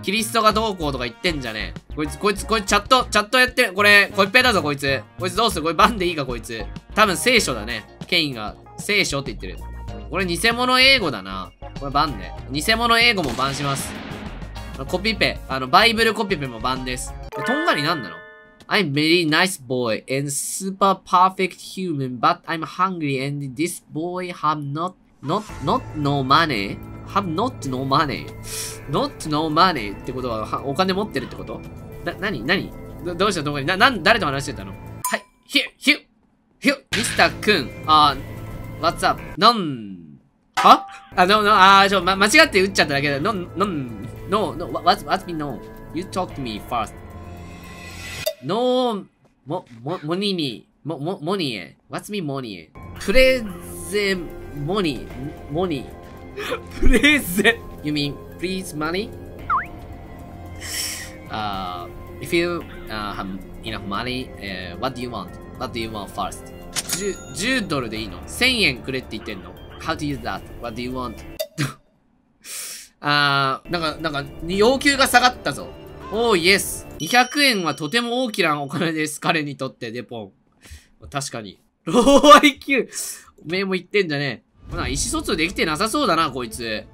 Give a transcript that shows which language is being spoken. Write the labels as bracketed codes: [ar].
[ja] キリストがどうこうとか言ってんじゃねえ。こいつ、チャットやってる。これ、コピペだぞ、こいつ。こいつどうする？これバンでいいか、こいつ。多分聖書だね。ケインが、聖書って言ってる。これ偽物英語だな。これバンで。偽物英語もバンします。コピペ。あの、バイブルコピペもバンです。とんがりなんなの？ [en] I'm very nice boy and super perfect human, but I'm hungry and this boy have not no money. Not no money [ja] ってことは、お金持ってるってこと？なにどうしたとんがり？誰と話してたの？はい。Mr. 君。 [en] What's up? [ja] のん。は？あ、のの、あー、ちょ、ま、間違って打っちゃっただけだ。 [en] のん。No, no, what's me no? You talk to me first. No, money. What's me money? Present money. Present. You mean, please money? If you have enough money, what do you want first? [ja] $10でいいの？ 1000 円くれって言ってんの？ [en] How do you that? What do you want? [ja] なんか、要求が下がったぞ。 [en] Oh, yes. [ja] 200円はとても大きなお金です。彼にとって、デポン。確かに。ローアイキュー。おめえも言ってんじゃねえ。な、意思疎通できてなさそうだな、こいつ。